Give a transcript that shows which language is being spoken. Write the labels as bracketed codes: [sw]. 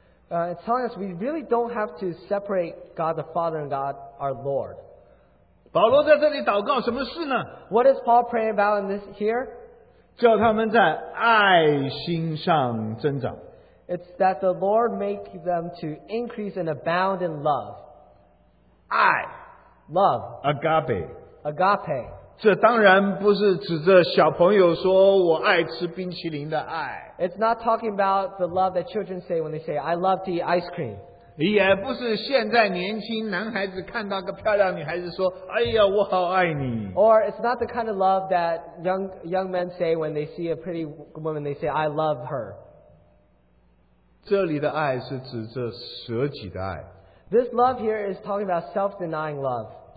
[en] it's telling us we really don't have to separate God the Father and God our Lord. [zh] 保罗在这里祷告什么事呢? [en] What is Paul praying about in this here? [zh] 叫他们在爱心上增长, [en] it's that the Lord make them to increase and abound in love. [zh] 爱, [en] love, [el] agape, agape. [zh] 这当然不是指着小朋友说我爱吃冰淇淋的爱, [en] it's not talking about the love that children say when they say I love to eat ice cream. [zh] 也不是现在年轻男孩子看到个漂亮女孩子说哎呀我好爱你, [en] or it's not the kind of love that young men say when they see a pretty woman, they say I love her. [zh] 这里的爱是指着舍己的爱, [en] this love here is talking about self-denying love.